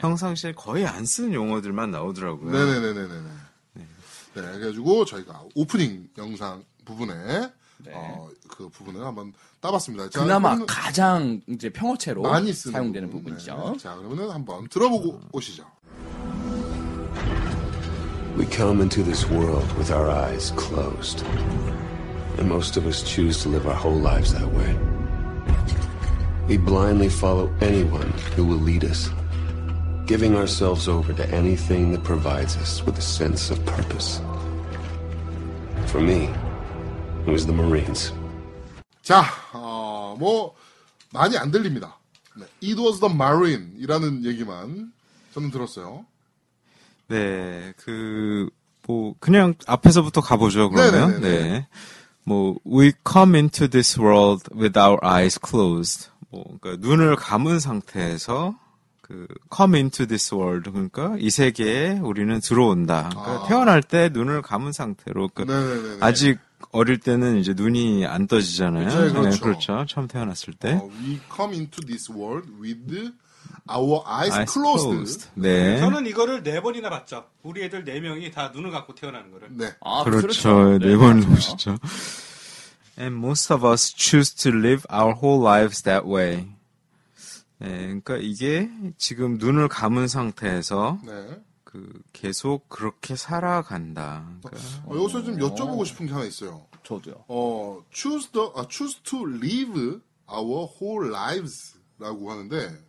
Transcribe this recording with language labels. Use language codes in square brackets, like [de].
[ko] 평상시에 거의 안 쓰는 용어들만 나오더라고요. 네네네네네. 네, 그래가지고 저희가 오프닝 영상 부분에 네. 그 부분을 한번 따봤습니다. 자, 그나마 가장 이제 평어체로 많이 사용되는 부분. 부분이죠. 네. 자, 그러면은 한번 들어보고 오시죠. [en] We come into this world with our eyes closed. And most of us choose to live our whole lives that way. We blindly follow anyone who will lead us, giving ourselves over to anything that provides us with a sense of purpose. For me, it was the Marines. [ko] 자, 뭐 많이 안 들립니다. [en] It was the Marine [ko] 이라는 얘기만 저는 들었어요. 네, 그 뭐 그냥 앞에서부터 가보죠, 그러면. 네네네네. 네. [en] 뭐 we come into this world with our eyes closed. [ko] 뭐 그러니까 눈을 감은 상태에서 그 [en] come into this world [ko] 그러니까 이 세계에 우리는 들어온다. 그러니까 아. 태어날 때 눈을 감은 상태로 그 네네네네. 아직 어릴 때는 이제 눈이 안 떠지잖아요. 네, 그렇죠. 네, 그렇죠. 처음 태어났을 때. [en] We come into this world with our eyes closed. Closed. [ko] 네. 저는 이거를 네 번이나 봤죠. 우리 애들 네 명이 다 눈을 감고 태어나는 거를. 네. 아, 그렇죠. 네 번 네, 보셨죠. [en] And most of us choose to live our whole lives that way. [ko] 네. 그러니까 이게 지금 눈을 감은 상태에서 네. 그 계속 그렇게 살아간다. 그러니까. 여기서 좀 여쭤보고 싶은 게 하나 있어요. 저도요. [en] Choose to live our whole lives. [ko] 라고 하는데